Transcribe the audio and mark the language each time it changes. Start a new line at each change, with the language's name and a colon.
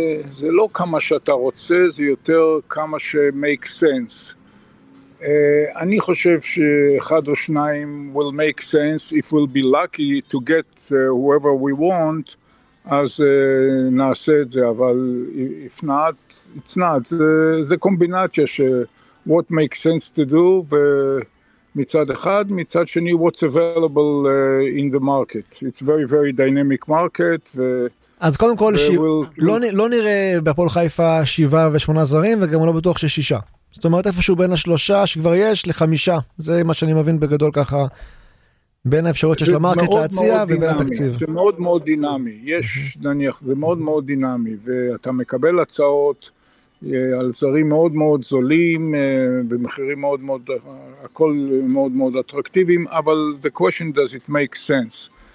Hebrew: זה לא כמה שאתה רוצה, זה יותר כמה ש-
English: make sense.
Hebrew: אני חושב שאחד או שניים
English: will make sense if we'll be lucky to get whoever we want,
Hebrew: אז נעשה את זה, אבל
English: if not, it's not. זה קומבינציה ש- what makes sense to do,
Hebrew: מצד אחד, מצד שני,
English: what's available in the market. It's very, very dynamic market, ו...
Hebrew: אז קודם כל, לא נראה בהפועל חיפה 7 ו-8 זרים, וגם לא בטוח ש6. זאת אומרת, איפשהו בין ה3 שכבר יש ל5. זה מה שאני מבין בגדול ככה, בין האפשרויות שיש למרקט להציע ובין התקציב. זה מאוד מאוד דינמי. יש, נניח, זה מאוד מאוד דינמי, ואתה מקבל הצעות על זרים מאוד מאוד זולים, במחירים מאוד מאוד, הכל מאוד מאוד אטרקטיביים, אבל
English: the question, does it make sense?